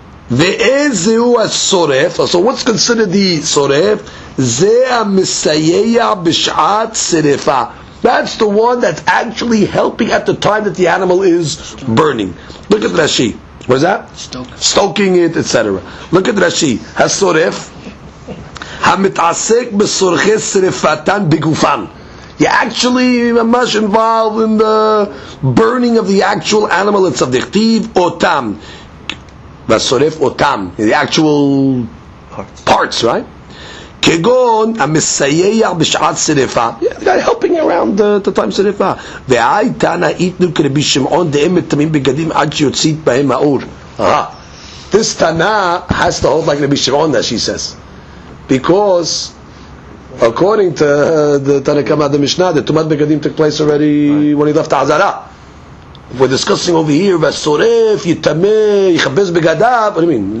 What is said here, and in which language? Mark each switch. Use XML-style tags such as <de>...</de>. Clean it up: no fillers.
<he>Ve'ezehu ha-soref,</he> <en>so what's considered the soref?</en> <he>Ze ha-misayeya b'sh'at serefa,</he> <en>that's the one that's actually helping at the time that the animal is burning. Look at Rashi. What is that? Stoking. Stoking it, etc. Look at Rashi. Has soref.</en> <he>המתעסק בסורכי שריפתן בגופן.</he> <en>You actually much involved in the burning of the actual animal itself.</en> <he>דכתיב אותם. והשורף אותם.</he> <en>The actual parts, right?</en> <he>כגון המסייע בשעת שריפה.</he> <en>Yeah, the guy helping around the time שריפה.</en> <he>והייתן היתנו כרבי שמעון דהם מתמים בגדים עד שיוצית בהם האור.</he> <en>This Tana has to hold like Rabbi Shimon, that she says. Because according to the Tana Kama, the Mishnah, the Tumat Begadim took place already right when he left Azara. We're discussing over here,</en> <he>Vasoref, Yitameh, Yichabez Begadav.</he> <en>What do you mean?</en>